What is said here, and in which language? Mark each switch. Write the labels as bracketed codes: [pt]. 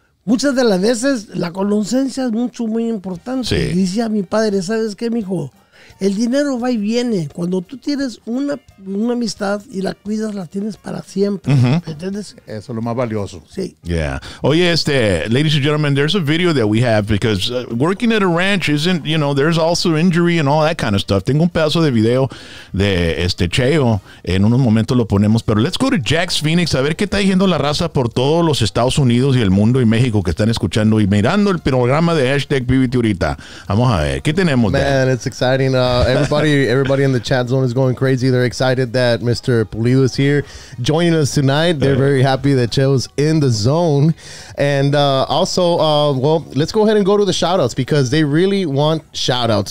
[es] Muchas de las veces la conciencia es mucho, muy importante. Sí. Decía mi padre, ¿sabes qué, mijo? El dinero va y viene. Cuando tú tienes una amistad y la cuidas, la tienes para siempre. ¿Entiendes? Eso es lo más valioso. Sí. [en] Yeah. Oye, ladies and gentlemen, there's a video that we have because working at a ranch isn't, you know, there's also injury and all that kind of stuff. [es] Tengo un pedazo de video de Cheo. En unos momentos lo ponemos, pero [en] let's go to [es] Jax Phoenix a ver qué está diciendo la raza por todos los Estados Unidos y el mundo y México que están escuchando y mirando el programa de #BBT ahorita. Vamos a ver, ¿qué tenemos? [en] Man, it's exciting. Everybody in the chat zone is going crazy. They're excited that Mr. Pulido is here joining us tonight. They're very happy that Cheo's in the zone. And let's go ahead and go to the shout-outs because they really want shout-outs.